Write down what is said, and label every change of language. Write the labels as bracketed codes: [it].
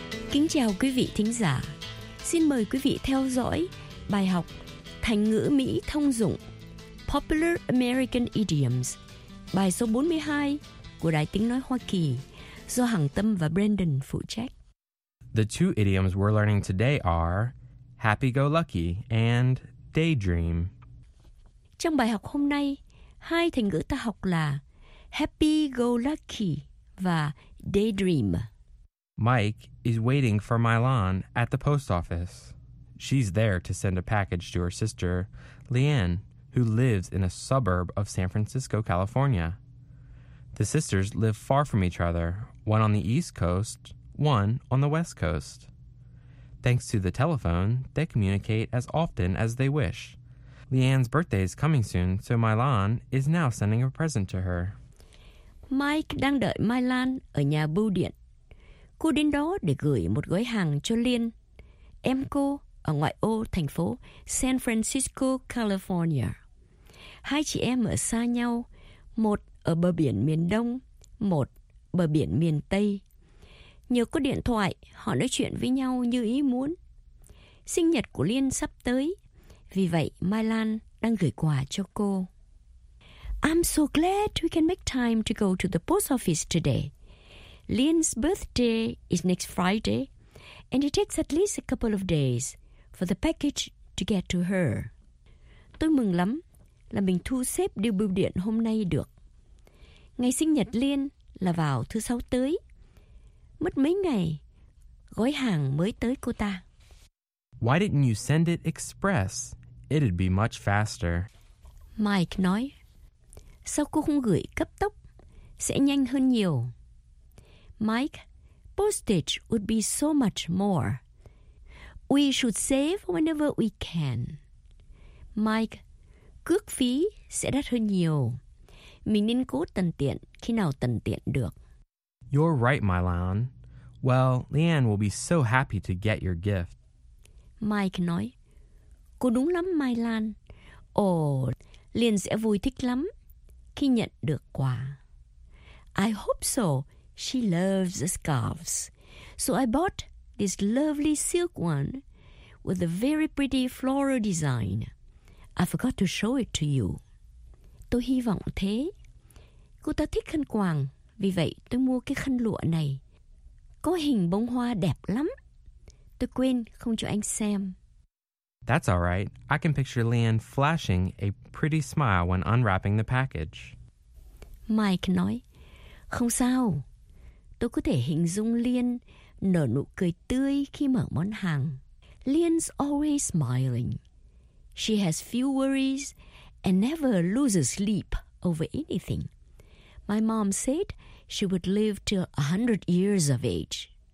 [vi] Kính chào quý vị thính giả. Xin mời quý vị theo dõi bài học Thành ngữ Mỹ thông dụng [en] Popular American Idioms, [vi] bài số 42 của Đài Tiếng Nói Hoa Kỳ do Hằng Tâm và Brandon phụ trách. [en] The two idioms we're learning today are happy-go-lucky and daydream. [vi] Trong bài học hôm nay, hai thành ngữ ta học là happy-go-lucky và daydream. [en] Mike is waiting for Mylon at the post office. She's there to send a package to her sister, Leanne, who lives in a suburb of San Francisco, California. The sisters live far from each other, one on the East Coast, one on the West Coast. Thanks to the telephone, they communicate as often as they wish. Leanne's birthday is coming soon, so Mylon is now sending a present to her. [vi] Mike đang đợi Mylon ở nhà bưu điện. Cô đến đó để gửi một gói hàng cho Liên, em cô ở ngoại ô thành phố San Francisco, California. Hai chị em ở xa nhau, một ở bờ biển miền Đông, một bờ biển miền Tây. Nhờ có điện thoại, họ nói chuyện với nhau như ý muốn. Sinh nhật của Liên sắp tới, vì vậy Mai Lan đang gửi quà cho cô. [en] I'm so glad we can make time to go to the post office today. Lian's birthday is next Friday, and it takes at least a couple of days for the package to get to her. [vi] Tôi mừng lắm là mình thu xếp điều bưu điện hôm nay được. Ngày sinh nhật Lian là vào thứ sáu tới. Mất mấy ngày, gói hàng mới tới cô ta. [en] Why didn't you send it express? It'd be much faster. [vi] Mike nói, sao cô không gửi cấp tốc? Sẽ nhanh hơn nhiều. [en] Mike, postage would be so much more. We should save whenever we can. Mike, [vi] cước phí sẽ đắt hơn nhiều. Mình nên cố tận tiện khi nào tận tiện được. [en] You're right, Mylon. Well, Leanne will be so happy to get your gift. [vi] Mike nói, cô đúng lắm, Mylon. Ồ, Liên sẽ vui thích lắm khi nhận được quà. [en] I hope so. She loves the scarves, so I bought this lovely silk one with a very pretty floral design. I forgot to show it to you. [vi] Tôi hy vọng thế. Cô ta thích khăn quàng, vì vậy tôi mua cái khăn lụa này. Có hình bông hoa đẹp lắm. Tôi quên không cho anh xem. [en] That's all right. I can picture Leanne flashing a pretty smile when unwrapping the package. [vi] Mike nói, không sao. Tôi có thể hình dung Liên nở nụ cười tươi khi mở món hàng. [en] Liên's always smiling. She has few worries and never loses sleep over anything. My mom said she would live till 100 years of age.